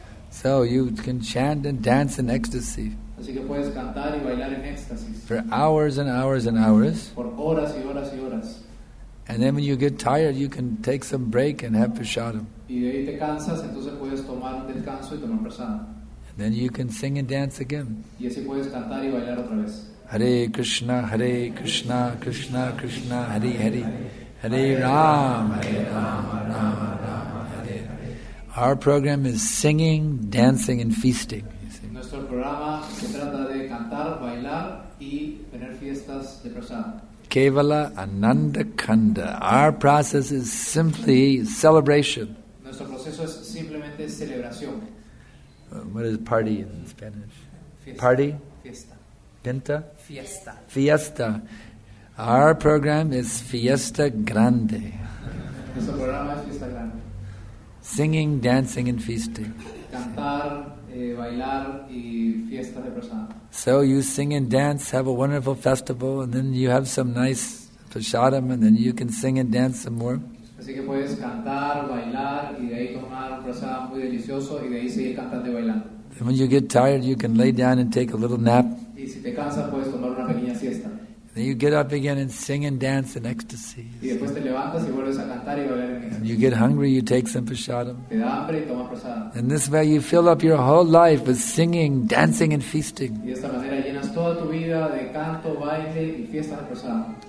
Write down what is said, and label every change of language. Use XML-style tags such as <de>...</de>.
<en>So you can chant and dance in ecstasy.</en> <es>Así que puedes cantar y bailar en éxtasis.</es> <en>For hours and hours and hours.</en> <es>Por horas y horas y horas.</es> <en>And then when you get tired, you can take some break and have prasadam.</en> <es>Y de ahí te cansas, entonces puedes tomar un descanso y tomar prasadam.</es> <en>And then you can sing and dance again.</en> <es>Y así puedes cantar y bailar otra vez.</es> <sa>Hare Krishna, Hare Krishna, Krishna Krishna, Hare Hare, Hare Rama, Hare Rama, Rama Rama, Hare Hare.</sa> <en>Our program is singing, dancing, and feasting.</en> <es>Nuestro programa se trata de cantar, bailar y tener fiestas de prasada.</es> <sa>Kevala Ananda Kanda.</sa> <en>Our process is simply celebration.</en> <es>Nuestro proceso es simplemente celebración.</es> <en>What is party in Spanish? Party?</en> <es>Fiesta. Pinta? Fiesta.</es> <en>Fiesta. Our program is Fiesta Grande.</en> <es>Nuestro programa es Fiesta Grande.</es> <en>Singing, dancing, and feasting.</en> <es>Cantar, bailar y fiesta de prasada.</es> <en>So you sing and dance, have a wonderful festival, and then you have some nice prasadam, and then you can sing and dance some more.</en> <es>Así que puedes cantar, bailar, y de ahí tomar un prasadam muy delicioso, y de ahí seguir cantando y bailando.</es> <en>And when you get tired, you can lay down and take a little nap.</en> <es>Y si te cansas, puedes tomar una pequeña siesta.</es> <en>And then you get up again and sing and dance in ecstasy.</en> <es>Y después te levantas y vuelves a cantar y bailar en ecstasy.</es> <en>And you get hungry, you take some prasadam.</en> <es>Te da hambre y toma prasadam.</es> <en>And this way you fill up your whole life with singing, dancing, and feasting.</en> <es>Y de esta manera llenas toda tu vida de canto, baile y fiesta de prasadam.</es>